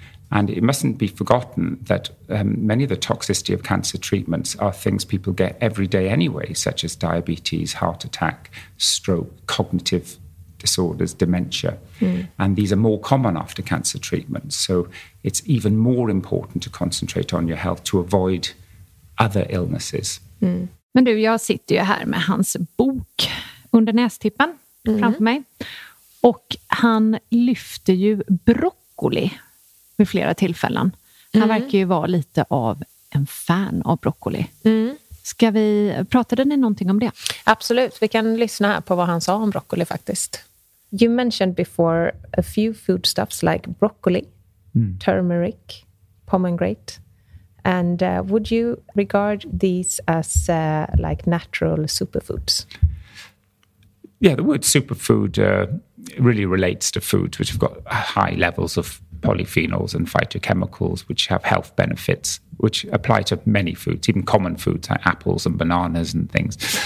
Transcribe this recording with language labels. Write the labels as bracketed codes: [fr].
[en] And it mustn't be forgotten that many of the toxicity of cancer treatments are things people get every day anyway, such as diabetes, heart attack, stroke, cognitive disorders, dementia. Mm. And these are more common after cancer treatment. So it's even more important to concentrate on your health to avoid other illnesses. Mm. [sv] Men du, jag sitter ju här med hans bok under nästippen framför mig. Och han lyfter ju broccoli vid flera tillfällen. Han verkar ju vara lite av en fan av broccoli. Mm. Ska vi, pratade ni någonting om det? Absolut, vi kan lyssna här på vad han sa om broccoli faktiskt. [en] You mentioned before a few foodstuffs like broccoli, turmeric, pomegranate. And would you regard these as like natural superfoods? Yeah, the word superfood really relates to foods which have got high levels of polyphenols and phytochemicals, which have health benefits, which apply to many foods, even common foods like apples and bananas and things.